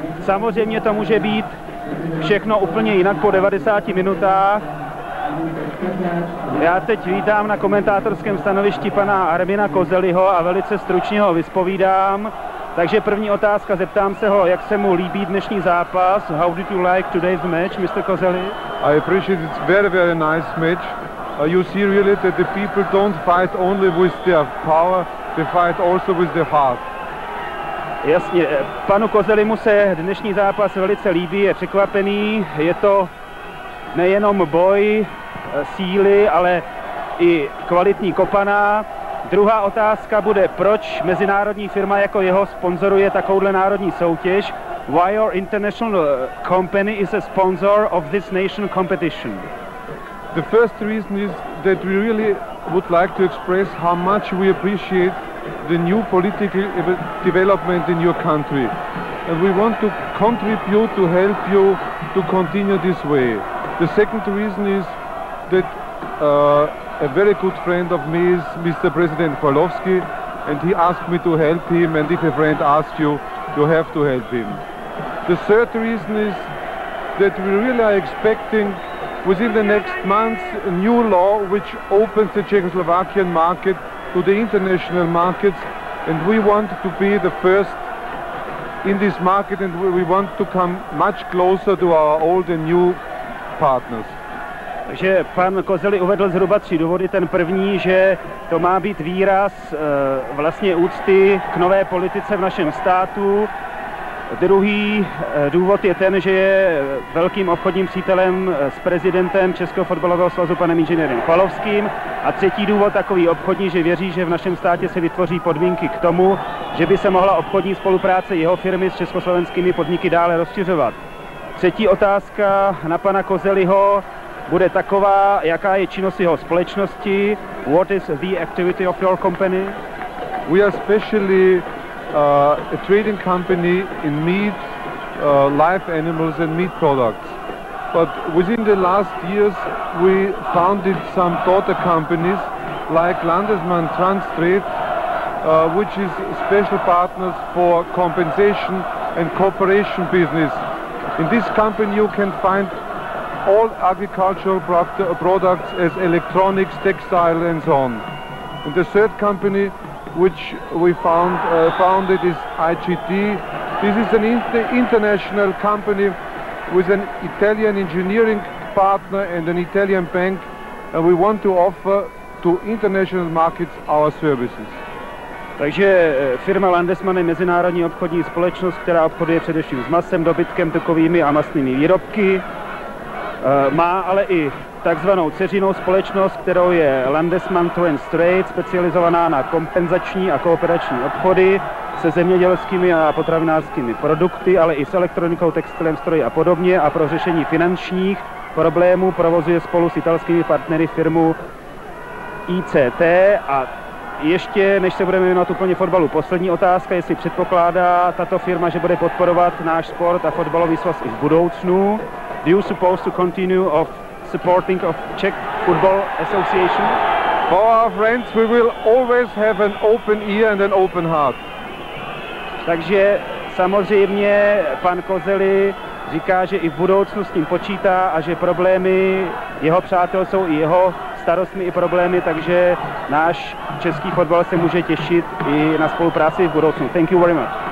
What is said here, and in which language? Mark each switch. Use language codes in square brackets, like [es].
[cs] Samozřejmě to může být všechno úplně jinak po 90 minutách. Já teď vítám na komentátorském stanovišti pana Armina Kozelyho a velice stručně ho vyspovídám. Takže první otázka, zeptám se ho, jak se mu líbí dnešní zápas. [en] How did you like today's match, Mr. Kozely? I appreciate it's very, very nice match. You see really that the people don't fight only with their power, they fight also with their heart. [cs] Jasně, panu Kozelymu se dnešní zápas velice líbí, je překvapený. Je to nejenom boj síly, ale i kvalitní kopaná. Druhá otázka bude, proč mezinárodní firma jako jeho sponzoruje takovouhle národní soutěž? [en] Why your international company is a sponsor of this national competition? The first reason is that we really would like to express how much we appreciate the new political development in your country. And we want to contribute to help you to continue this way. The second reason is that a very good friend of me is Mr. President Chvalovský, and he asked me to help him, and if a friend asks you, you have to help him. The third reason is that we really are expecting within the next months a new law which opens the Czechoslovakian market to the international markets, and we want to be the first in this market, and we want to come much closer to our old and new partners. [cs] Takže pan Kozely uvedl zhruba tři důvody. Ten první, že to má být výraz vlastně úcty k nové politice v našem státu. Druhý důvod je ten, že je velkým obchodním přítelem s prezidentem Českého fotbalového svazu panem inženýrem Chvalovským. A třetí důvod takový obchodní, že věří, že v našem státě se vytvoří podmínky k tomu, že by se mohla obchodní spolupráce jeho firmy s československými podniky dále rozšiřovat. Třetí otázka na pana Kozelyho bude taková, jaká je činnost jeho společnosti. [en] What is the activity of your company? We are specially a trading company in meat, live animals and meat products. But within the last years we founded some daughter companies like Landesmann Transtrade, which is special partners for compensation and cooperation business. In this company you can find all agricultural products as electronics, textile and so on. And the third company which we founded is IGT. This is an international company with an Italian engineering partner and an Italian bank, and we want to offer to international markets our services. [cs] Takže firma Landesmann je mezinárodní obchodní společnost, která obchoduje především s masem, dobytkem, tukovými a masnými výrobky. Má ale i takzvanou dceřinou společnost, kterou je Landesmann Trans Trade, specializovaná na kompenzační a kooperační obchody se zemědělskými a potravinářskými produkty, ale i s elektronikou, textilem, stroji a podobně, a pro řešení finančních problémů provozuje spolu s italskými partnery firmu ICT. A ještě, než se budeme věnovat úplně fotbalu, poslední otázka, jestli předpokládá tato firma, že bude podporovat náš sport a fotbalový svaz i v budoucnu. [en] Do you suppose to continue of supporting of Czech Football Association? For our friends, we will always have an open ear and an open heart. [cs] Takže samozřejmě pan Kozely říká, že i v budoucnu s tím počítá a že problémy jeho přátel jsou i jeho starostmi i problémy, takže náš český fotbal se může těšit i na spolupráci v budoucnu. [en] Thank you very much.